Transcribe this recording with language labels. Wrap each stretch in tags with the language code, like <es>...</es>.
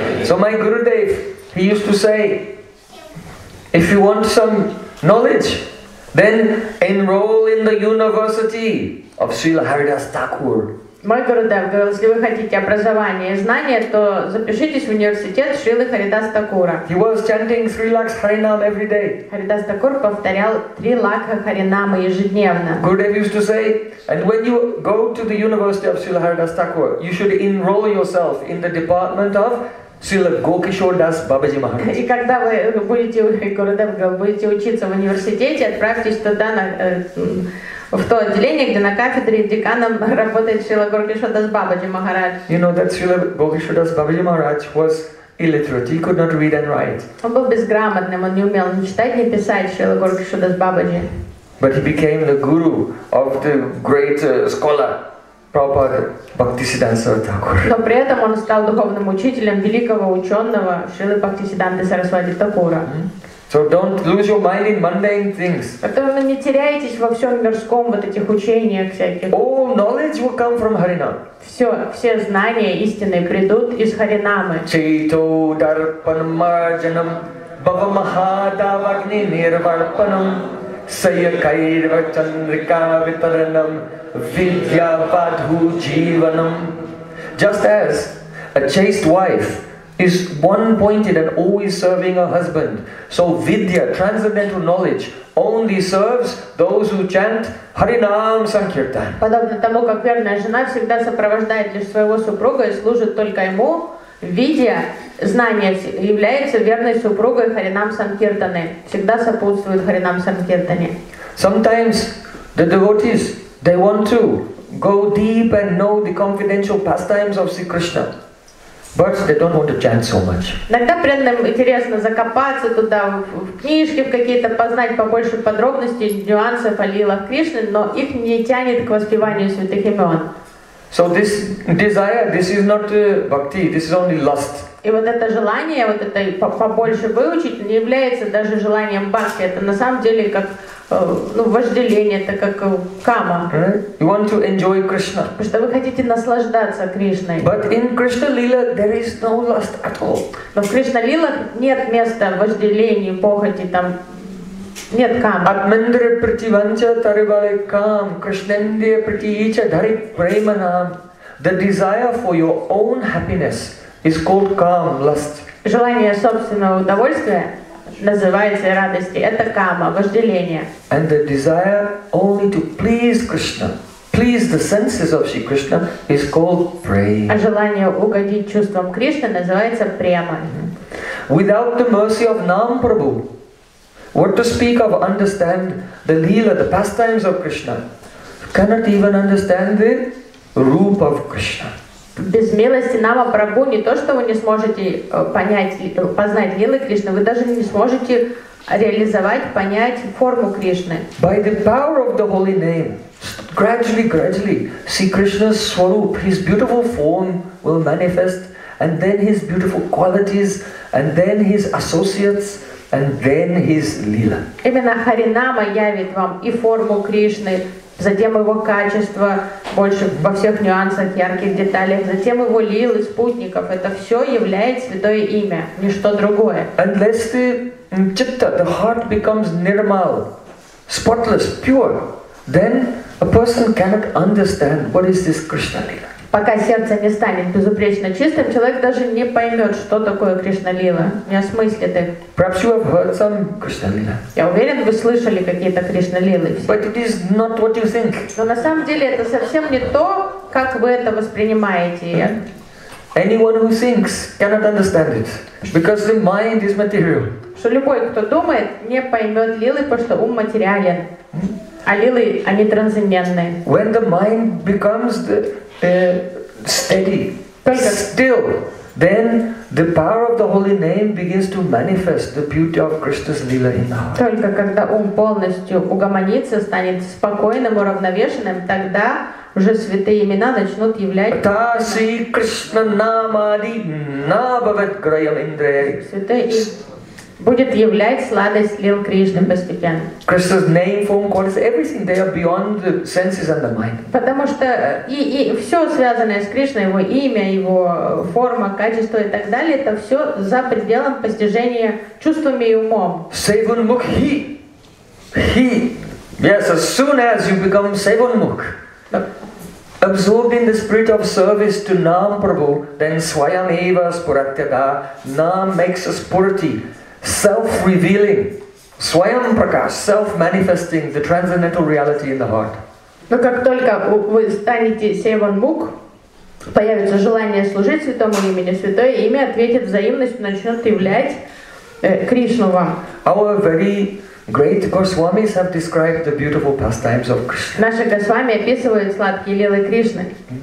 <en>So my Gurudev, he used to say, if you want some knowledge, then enroll in the university of Srila Haridas Thakur.</en> <ru>Мой Гурудев говорил, если вы хотите образование и знания, то запишитесь в университет Шрилы Харидас Такура.</ru> <en>He was chanting Sri Lakh Harinam every day.</en> <ru>Харидас Такур повторял три лакха Харинама ежедневно.</ru> <en>Gurudev used to say, and when you go to the University of Shrila Haridas Thakur, you should enroll yourself in the department of Srila Gokishore Das Babaji Maharaj.</en> <ru>И когда вы будете, Гурудев говорил, будете учиться в университете, отправьтесь туда на в то отделение, где на кафедре деканом работает Шрила Гокишор Дас Бабаджи Махарадж.</ru> <en>You know that Шрила Гокишор Дас Бабаджи Махарадж was illiterate. He could not read and write.</en> <ru>Он был безграмотным, он не умел ни читать, ни писать, Шрила Гокишор Дас Бабаджи.</ru> <en>But he became the guru of the great scholar, Prabhupada Bhaktisiddhanta Saraswati Thakur.</en> <ru>Но при этом он стал духовным учителем великого ученого Шрилы Бхактисиддханты Сарасвати Такура.</ru> <en>So don't lose your mind in mundane things.</en> <ru>Поэтому не теряйтесь во всем мирском вот этих учениях всяких.</ru> <en>All knowledge will come from Харинам.</en> <ru>Все знания истинные придут из Харинамы.</ru> <sa>Чейто дарпанмарджанам бхавамахатавагни нирварпанам сайакайрвачандрикавитаранам видьявадху дживанам.</sa> <en>Just as a chaste wife is one-pointed and always serving her husband. So vidya, transcendental knowledge, only serves those who chant Харинам Санкиртан.</en> <ru>Подобно тому, как верная жена всегда сопровождает лишь своего супруга и служит только ему, видья, знание является верной супругой Харинам Санкиртаны, всегда сопутствует Харинам Санкиртане.</ru> <en>Sometimes the devotees, they want to go deep and know the confidential pastimes of Sri Krishna. But they don't want to chant so much.</en> <ru>Иногда преданным интересно закопаться туда в книжки, в какие-то познать побольше подробностей, нюансов о лилах Кришны, но их не тянет к воспеванию святых имен.</ru> <en>So this desire, this is not bhakti, this is only lust.</en> <ru>И вот это желание, вот это побольше выучить, не является даже желанием бхакти. Это на самом деле как вожделение, это как кама.</ru> <en>You want to enjoy Krishna.</en> <ru>Потому что вы хотите наслаждаться Кришной.</ru> <en>But in Krishna lila there is no lust at all.</en> <ru>Но в Кришна лилах нет места вожделению, похоти, там нет камы.</ru> <sa>Атмендре притиванча таривале кам, Кришнендия притиича дари преманам.</sa> <en>The desire for your own happiness is called calm, lust.</en> <ru>Желание собственного удовольствия называется радостью. Это кама, вожделение.</ru> <en>And the desire only to please Krishna, please the senses of Sri Krishna, is called prema.</en> <ru>А желание угодить чувствам Кришны называется према.</ru> <en>Without the mercy of Nam Prabhu, what to speak of understand the lila, the pastimes of Krishna, cannot even understand the rupa of Krishna.</en> <ru>Без милости Нама Прабху не то, что вы не сможете понять, познать лилы Кришны, вы даже не сможете реализовать, понять форму Кришны.</ru> <en>By the power of the holy name, gradually, see Krishna's swarup, his beautiful form will manifest, and then his beautiful qualities, and then his associates, and then his lila.</en> <ru>Именно Харинама явит вам и форму Кришны, затем его качество больше во всех нюансах, ярких деталях, затем его лилы, спутников. Это все является святое имя, ничто другое.</ru> <en>Unless the chitta, the heart becomes nirmal, spotless, pure, then a person cannot understand what is this Krishna lila.</en> <ru>Пока сердце не станет безупречно чистым, человек даже не поймет, что такое Кришна лила, не осмыслит их.</ru> <en>Perhaps you have heard some Krishna lila.</en> <ru>Я уверен, вы слышали какие-то Кришна лилы.</ru> <en>But it is not what you think.</en> <ru>Но на самом деле это совсем не то, как вы это воспринимаете.</ru> <en>Anyone who thinks cannot understand it, because the mind is material.</en> <ru>Что любой, кто думает, не поймет лилы, потому что ум материален, а лилы они трансцендентные.</ru> <en>When the mind becomes the steady, still, then the power of the holy name begins to manifest the beauty of Krishna's lila in our heart.</en> <ru>Только когда ум полностью угомонится, станет спокойным, уравновешенным, тогда уже святые имена начнут являть.</ru> <sa>Таси Кришна намади набавет краям индрей.</sa> <ru>Будет являть сладость лил Кришны постепенно.</ru> <en>Krishna's name, form, qualities, everything, they are beyond the senses and the mind.</en> <ru>Потому что и все связанное с Кришной, его имя, его форма, качество и так далее, это все за пределом постижения чувствами и умом.</ru> <en>Sevanmukh he. Yes, as soon as you become Sevanmukh. absorbed in the spirit of service to Nam Prabhu, then</en> <sa>Swayam Eva Spuratyada,</sa> <en>Nam makes a spurti, self-revealing, Swayam Prakash, self-manifesting the transcendental reality in the heart.</en> <ru>Но как только вы станете Севан Мук, появится желание служить Святому имени, Святое имя ответит взаимностью, начнет являть Кришну вам.</ru> <en>Our very great Goswamis have described the beautiful pastimes of Krishna.</en> <ru>Наши Госвами описывают сладкие лилы Кришны.</ru>